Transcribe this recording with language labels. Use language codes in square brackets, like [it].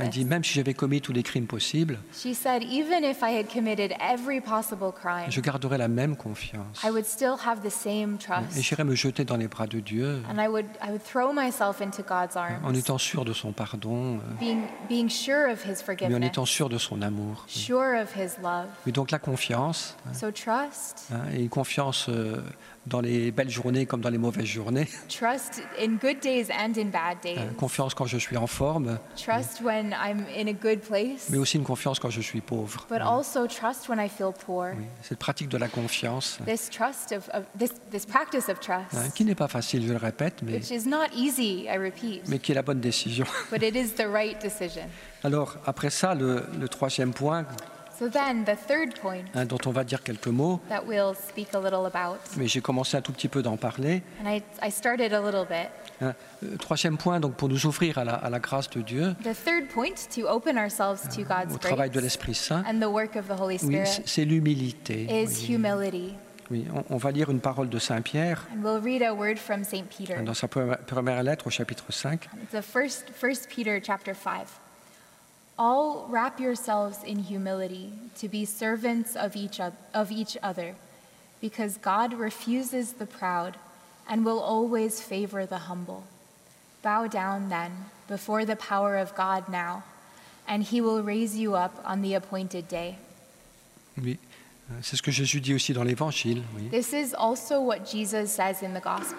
[fr] Elle dit même si j'avais commis tous les crimes possibles. [en] She said even if I had committed every possible crime. [fr] Je garderais la même confiance. [en] I would still have the same trust. [fr] Et j'irais me jeter dans les bras de Dieu. [en] And I would throw myself into God's arms, [fr] en étant sûr de son pardon, [en] being sure of his forgiveness, [fr] mais en étant sûr de son amour, [en] sure of his love. [fr] Mais donc la confiance, [en] so trust, [fr] et une confiance dans les belles journées comme dans les mauvaises journées, [en] trust in good days and in bad days. [fr] Confiance quand je suis en forme, [en] trust when I'm in a good place, [fr] mais aussi une confiance quand je suis pauvre, [en] but also trust when I feel poor. [fr] Cette pratique de la confiance, [en] this trust of this practice of trust, [fr] qui n'est pas facile, je le répète, mais [en] which is not easy, I repeat, [fr] mais qui est la bonne décision. [en] But it is the right decision. [fr] Alors après ça, le troisième point. [en] So then, the third point, [fr] dont on va dire quelques mots, [en] that we'll speak a little about, [fr] mais j'ai commencé un tout petit peu d'en parler. [en] And I started a little bit. [fr] Troisième point, donc, pour nous ouvrir à la grâce de Dieu, [en] the third point, to open ourselves to God's [fr] au travail grace, de l'Esprit Saint, [en] and the work of the Holy Spirit, [fr] c'est l'humilité. [en] Is humility. [fr] Oui, on va lire une parole de Saint Pierre, [en] and we'll read a word from Saint Peter, [fr] dans sa première lettre au chapitre 5. [en] The first Peter, chapter 5. All wrap yourselves in humility to be servants of each other, because God refuses the proud and will always favor the humble. Bow down then before the power of God now, and he will raise you up on the appointed day. [fr] Oui, c'est ce que Jésus dit aussi dans l'Évangile. Oui. [en] This is also what Jesus says in the Gospel.